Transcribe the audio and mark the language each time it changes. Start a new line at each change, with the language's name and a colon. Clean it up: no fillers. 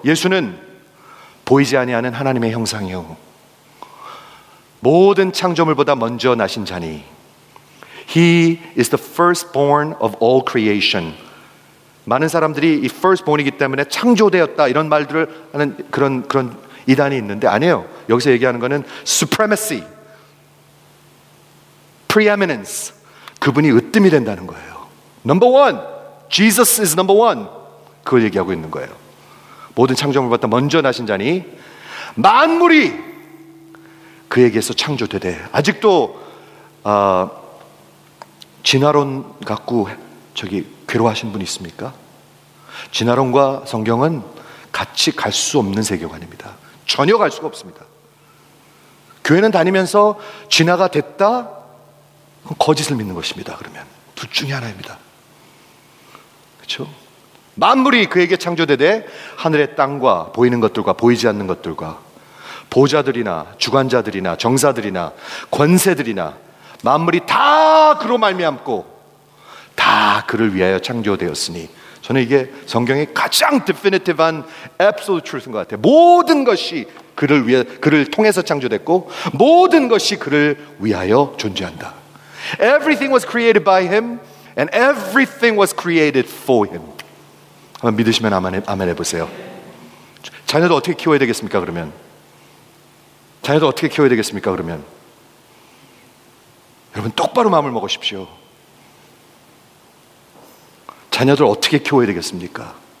Korean: 예수는 보이지 아니하는 하나님의 형상이요 모든 창조물보다 먼저 나신 자니
English: He is the firstborn of all creation.
Korean: 많은 사람들이 이 firstborn이기 때문에 창조되었다 이런 말들을 하는 그런 이단이 있는데 아니에요. 여기서 얘기하는 거는 supremacy, preeminence. 그분이 으뜸이 된다는 거예요.
English: Number one, Jesus is number one.
Korean: 그걸 얘기하고 있는 거예요. 모든 창조물보다 먼저 나신 자니 만물이 그에게서 창조되되 아직도 진화론 갖고 저기 괴로워하신 분 있습니까? 진화론과 성경은 같이 갈 수 없는 세계관입니다. 전혀 갈 수가 없습니다. 교회는 다니면서 진화가 됐다? 그럼 거짓을 믿는 것입니다. 그러면 둘 중에 하나입니다. 그렇죠? 만물이 그에게 창조되되 하늘의 땅과 보이는 것들과 보이지 않는 것들과 보좌들이나 주관자들이나 정사들이나 권세들이나 만물이 다 그로 말미암고 다 그를 위하여 창조되었으니 저는 이게 성경의 가장 definitive한 absolute truth인 것 같아요. 모든 것이 그를 통해서 창조됐고 모든 것이 그를 위하여 존재한다.
English: Everything was created by him and everything was created for him.
Korean: 한번 믿으시면 아멘 해보세요. 자녀도 어떻게 키워야 되겠습니까, 그러면? 자녀도 어떻게 키워야 되겠습니까, 그러면? 여러분 똑바로 마음을 먹으십시오. 자녀들 어떻게 키워야 되겠습니까?